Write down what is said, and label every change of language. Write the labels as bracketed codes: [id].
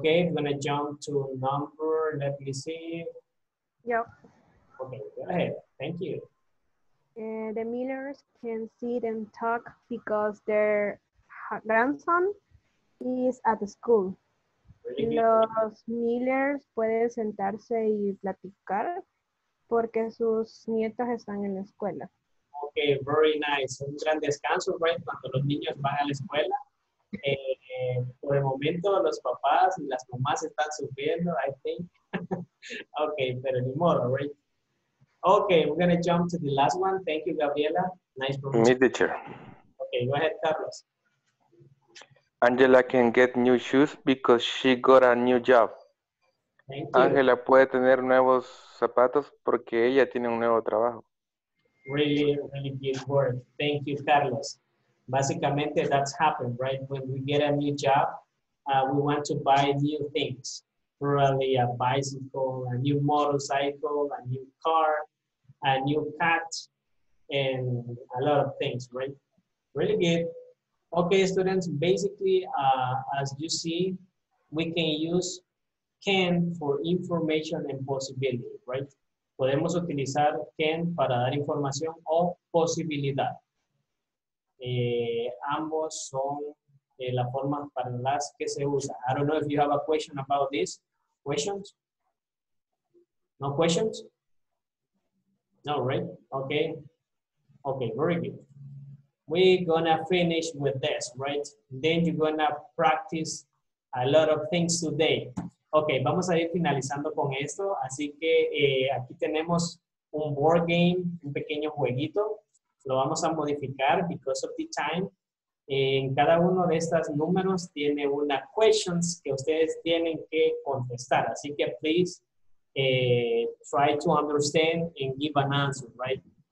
[en] Okay, I'm going to jump to number, let me see. Yep. Okay, go ahead. Thank you. The Millers can sit and talk because their grandson is at school. [es] Los Millers pueden sentarse y platicar porque sus nietos están en la escuela. [en] Ok, very nice. [es] Un gran descanso, right? Cuando los niños van a la escuela. Por el momento, los papás y las mamás están sufriendo, [en] I think. [es] Ok, pero ni modo, right? [en] Ok, we're going to jump to the last one. Thank you, Gabriela. Nice promotion. Meet the chair. Ok, go ahead, Carlos. Angela can get new shoes because she got a new job. Angela puede tener nuevos zapatos porque ella tiene un nuevo trabajo. Really, really good word. Thank you, Carlos. Básicamente, that's happened, right? When we get a new job, we want to buy new things, probably a bicycle, a new motorcycle, a new car, a new cat, and a lot of things, right? Really good. Okay, students, basically, as you see, we can use can for information and possibility, right? [es] Podemos utilizar can para dar información o posibilidad. Ambos son la forma para las que se usa. [en] I don't know if you have a question about this. Questions? No questions? No, right? Okay. Okay, very good. We're gonna finish with this, right? Then you're gonna practice a lot of things today. [es] Okay, vamos a ir finalizando con esto. Así que aquí tenemos un board game, un pequeño jueguito. Lo vamos a modificar [en] because of the time. [es] En cada uno de estos números tiene una questions que ustedes tienen que contestar. Así que [en] please try to understand and give an answer, right?